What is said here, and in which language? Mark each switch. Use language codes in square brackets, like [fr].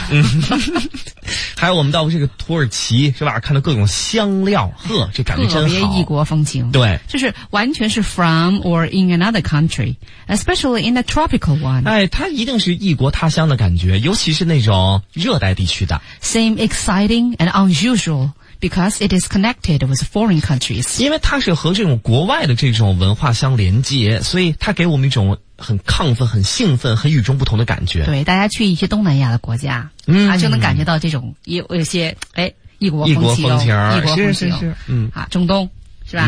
[zh] 嗯，还有我们到这个土耳其是吧？看到各种香料，呵，这感觉真好，特别异国风情。对，就是完全是 [en] from or in another country，especially in a tropical one。 [zh] 哎，它一定是异国他乡的感觉，尤其是那种热带地区的。 [en] Seem exciting and unusual because it is connected with foreign countries。 [zh] 因为它是和这种国外的这种文化相连接，所以它给我们一种。很亢奋，很兴奋，很与众不同的感觉。对，大家去一些东南亚的国家、嗯、啊，就能感觉到这种有些哎异国风情。异国风情，异国风情，是是是，嗯啊，中东是吧、